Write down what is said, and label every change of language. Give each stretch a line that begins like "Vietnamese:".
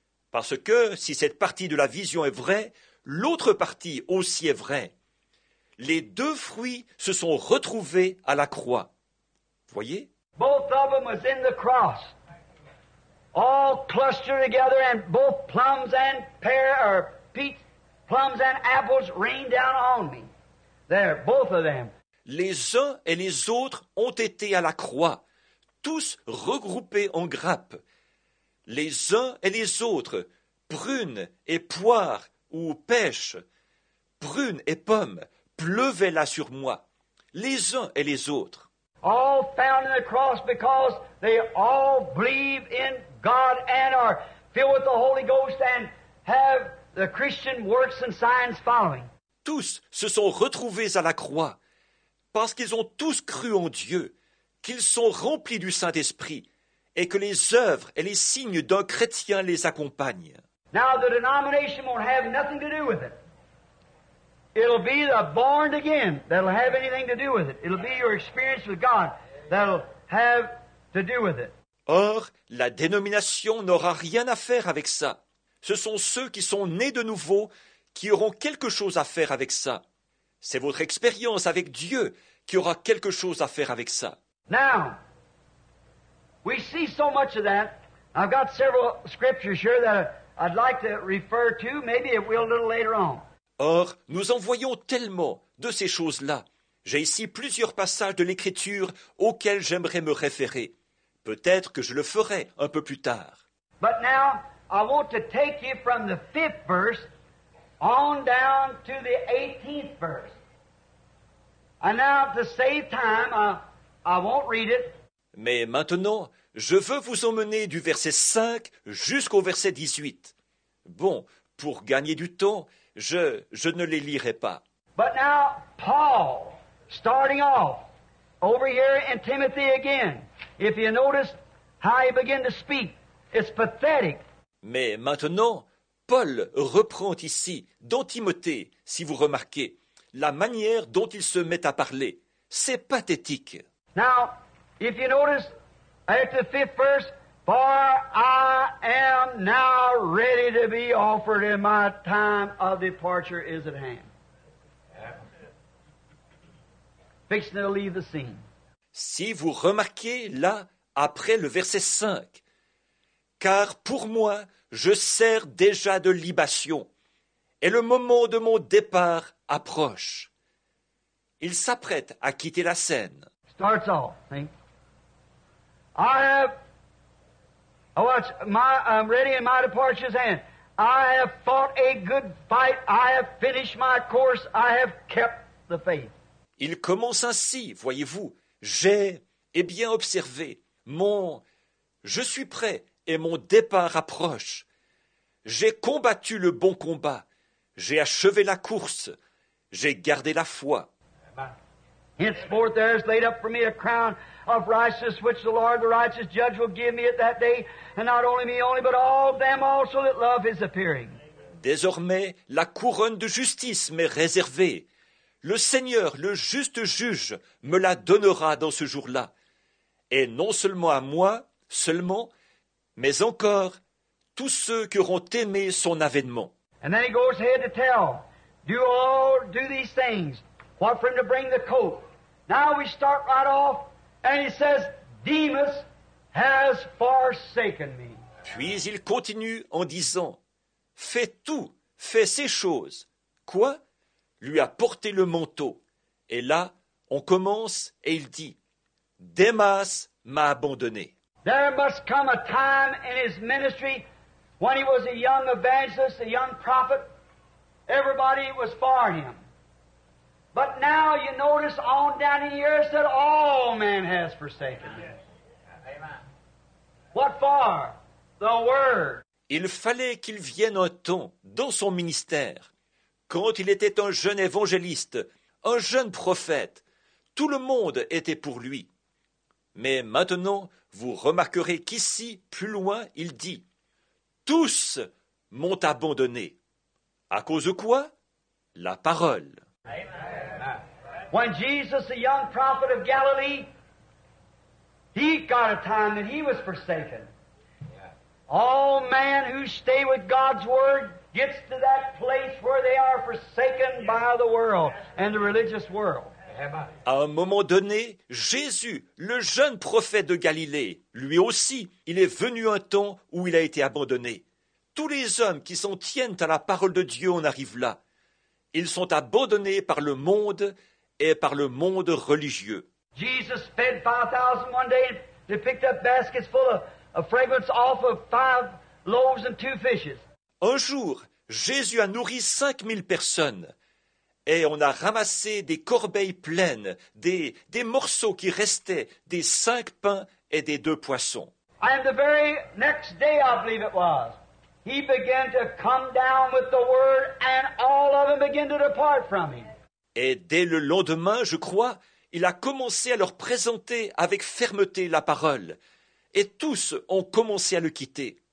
French: Parce que si cette partie de la vision est vraie, l'autre partie aussi est vraie. Les deux fruits se sont retrouvés à la croix. Voyez?
English: Both of them was in the cross. All clustered together and both plums and pear or peach, plums and apples rained down on me. There, both of them.
French: Les uns et les autres ont été à la croix, tous regroupés en grappes. Les uns et les autres, prunes et poires ou pêches, prunes et pommes, pleuvaient là sur moi, les uns et les autres.
English: All found in the cross because they all believe in God and are filled with the Holy Ghost and have the Christian works and signs following.
French: Tous se sont retrouvés à la croix. Parce qu'ils ont tous cru en Dieu, qu'ils sont remplis du Saint-Esprit, et que les œuvres et les signes d'un chrétien les accompagnent.
English: Now the denomination won't have nothing to do with it. It'll be the born again that'll have anything to do with it. It'll be your experience with God that'll have to do with it.
French: Or, la dénomination n'aura rien à faire avec ça. Ce sont ceux qui sont nés de nouveau qui auront quelque chose à faire avec ça. C'est votre expérience avec Dieu qui aura quelque chose à faire avec ça.
English: Now, we see so much of that. I've got several scriptures here that I'd like to refer to. Maybe it will a little later on.
French: Or, nous en voyons tellement de ces choses-là. J'ai ici plusieurs passages de l'Écriture auxquels j'aimerais me référer. Peut-être que je le ferai un peu plus tard.
English: But now, I want to take you from the fifth verse on down to the 18th verse. And now, to save time, I won't read it.
French: Mais maintenant, je veux vous emmener du verset 5 jusqu'au verset 18. Bon, pour gagner du temps, je ne les lirai pas.
English: But now, Paul, starting off, over here in Timothy again. If you notice how he began to speak, it's pathetic.
French: Mais maintenant, Paul reprend ici, dans Timothée, si vous remarquez, la manière dont il se met à parler. C'est pathétique.
English: Now, if you notice, at the fifth verse, for I am now ready to be offered and my time of departure is at hand. Fixing to leave the scene.
French: Si vous remarquez là, après le verset 5, car pour moi, je sers déjà de libation, et le moment de mon départ approche. Il s'apprête à quitter la scène.
English: Starts off. I have, watch, my, I'm ready in my departure's hand. I have fought a good fight. I have finished my course. I have kept the faith.
French: Il commence ainsi, voyez-vous. J'ai, et bien observé, mon, je suis prêt. Et mon départ approche. J'ai combattu le bon combat. J'ai achevé la course. J'ai gardé la foi.
English: Henceforth there is laid up for me a crown of righteousness which the Lord, the righteous judge, will give me at that day, and not only me only, but all them also that love his appearing.
French: Désormais, la couronne de justice m'est réservée. Le Seigneur, le juste juge, me la donnera dans ce jour-là. Et non seulement à moi, seulement, mais encore, tous ceux qui auront aimé son avènement.
English: And then he goes ahead to tell, do all, do these things, what for him to bring the coat. Now we start right off, and he says, Demas has forsaken me.
French: Puis il continue en disant, fais tout, fais ces choses. Quoi? Lui a porté le manteau. Et là, on commence, et il dit, Demas m'a abandonné.
English: There must come a time in his ministry when he was a young evangelist, a young prophet. Everybody was for him. But now you notice on down in the earth that all man has forsaken him. Yes. Amen. What for? The word.
French: Il fallait qu'il vienne un temps dans son ministère, quand il était un jeune évangéliste, un jeune prophète, tout le monde était pour lui. Mais maintenant, vous remarquerez qu'ici, plus loin, il dit « Tous m'ont abandonné. » À cause de quoi? La parole.
English: When Jesus, the young prophet of Galilee, he got a time that he was forsaken. All man who stay with God's word gets to that place where they are forsaken by the world and the religious world.
French: À un moment donné, Jésus, le jeune prophète de Galilée, lui aussi, il est venu un temps où il a été abandonné. Tous les hommes qui s'en tiennent à la parole de Dieu en arrivent là. Ils sont abandonnés par le monde et par le monde religieux.
English: Jesus fed 5,000 one day and picked up baskets full of fragrance off of 5 loaves and 2 fishes.
French: Un jour, Jésus a nourri 5,000 personnes. Et on a ramassé des corbeilles pleines, des morceaux qui restaient, des 5 pains et des 2 poissons.
English: And the very next day, I believe it was, he began to come down with the word and all of them began to depart from him.
French: Et dès le lendemain, je crois, il a commencé à leur présenter avec fermeté la parole. Et tous ont commencé à le quitter.